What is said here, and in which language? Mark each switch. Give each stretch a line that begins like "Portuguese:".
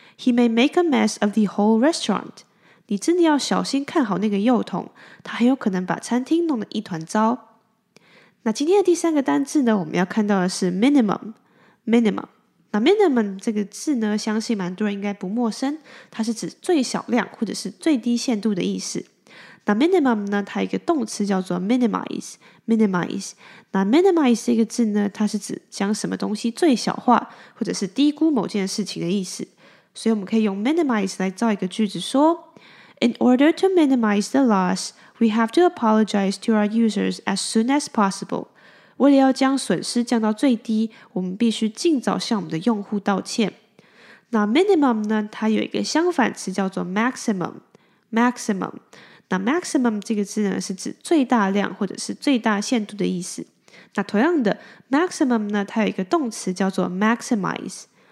English: He may make a mess of the whole restaurant.
Chinese: 你真的要小心看好那个幼童，他很有可能把餐厅弄得一团糟。那今天的第三个单字呢，我们要看到的是 minimum。那 minimum 这个字呢，相信蛮多人应该不陌生，它是指最小量或者是最低限度的意思。那 minimum 呢，它有一个动词叫做 minimize。那 minimize 这个字呢，它是指将什么东西最小化或者是低估某件事情的意思，所以我们可以用 minimize 来造一个句子说
English: In order to minimize the loss, we have to apologize to our users as soon as possible.
Chinese: 为了要将损失降到最低，我们必须尽早向我们的用户道歉。那 minimum 呢，它有一个相反词叫做 maximum。 maximum 那 maximum 这个字呢，是指最大量或者是最大限度的意思。那同样的 maximum 呢，它有一个动词叫做 maximize。